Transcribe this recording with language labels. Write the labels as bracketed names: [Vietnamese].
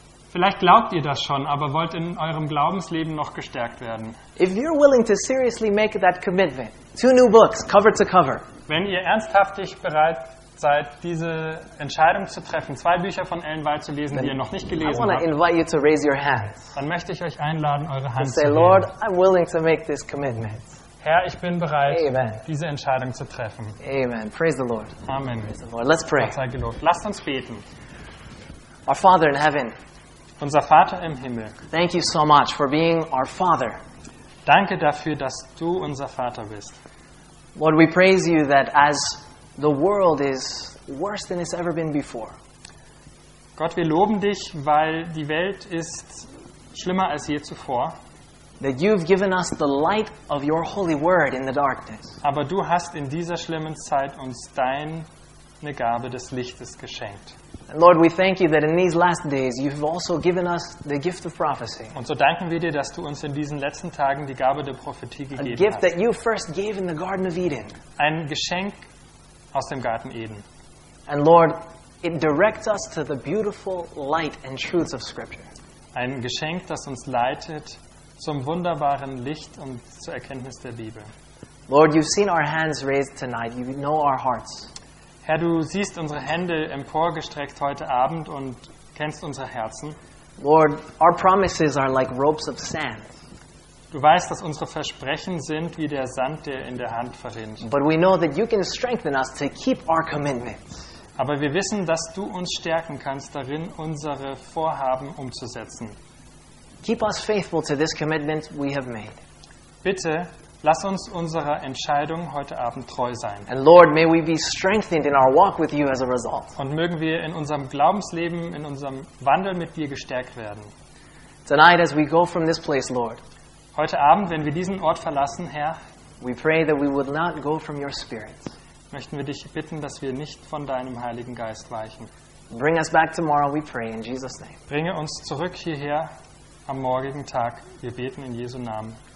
[German] Vielleicht glaubt ihr das schon, aber wollt in eurem Glaubensleben noch gestärkt werden. [English] If you're willing to seriously make that commitment, two new books, cover to cover. [German] Wenn ihr ernsthaftig bereit seid, diese Entscheidung zu treffen, zwei Bücher von Ellen White zu lesen, die ihr noch nicht gelesen habt, [English] I want to invite you to raise your hands. [German] Dann möchte ich euch einladen, eure Hand zu heben. [English] Lord, I'm willing to make this commitment. [German] Herr, ich bin bereit, Amen. Diese Entscheidung zu treffen. [English] Amen. Praise the Lord. [German] Amen. [English] Praise the Lord. Let's pray. [German] Gott sei gelobt. Lasst uns beten. [English] Our Father in heaven. [German] Unser Vater im Himmel. [English] Thank you so much for being our Father. [German] Danke dafür, dass du unser Vater bist. [English] Lord, we praise you that as the world is worse than it's ever been before. [German] Gott, wir loben dich, weil die Welt ist schlimmer als je zuvor. [English] That you've given us the light of your holy word in the darkness. [German] Aber du hast in dieser schlimmen Zeit uns deine Gabe des Lichtes geschenkt. [English] And Lord, we thank you that in these last days you've also given us the gift of prophecy. [German] Und so danken wir dir, dass du uns in diesen letzten Tagen die Gabe der Prophetie gegeben hast. [English] A gift that you first gave in the Garden of Eden. [German] Ein Geschenk aus dem Garten Eden. [English] And Lord, it directs us to the beautiful light and truths of Scripture. [German] Ein Geschenk, das uns leitet zum wunderbaren Licht und zur Erkenntnis der Bibel. [English] Lord, you've seen our hands raised tonight. You know our hearts. [German] Herr, du siehst unsere Hände emporgestreckt heute Abend und kennst unsere Herzen. [English] Lord, our promises are like ropes of sand. [German] Du weißt, dass unsere Versprechen sind wie der Sand, der in der Hand verrinnt. [English] But we know that you can strengthen us to keep our commitments. [German] Aber wir wissen, dass du uns stärken kannst, darin unsere Vorhaben umzusetzen. [English] Keep us faithful to this commitment we have made. [German] Bitte, lass uns unserer Entscheidung heute Abend treu sein. [English] And Lord, may we be strengthened in our walk with you as a result. [German] Und mögen wir in unserem Glaubensleben, in unserem Wandel mit dir gestärkt werden. [English] Tonight, as we go from this place, Lord, [German] heute Abend, wenn wir diesen Ort verlassen, Herr, [English] we pray that we would not go from your spirit. [German] Möchten wir dich bitten, dass wir nicht von deinem Heiligen Geist weichen. [English] Bring us back tomorrow, we pray in Jesus' name. [German] Bringe uns zurück hierher. Am morgigen Tag, wir beten in Jesu Namen.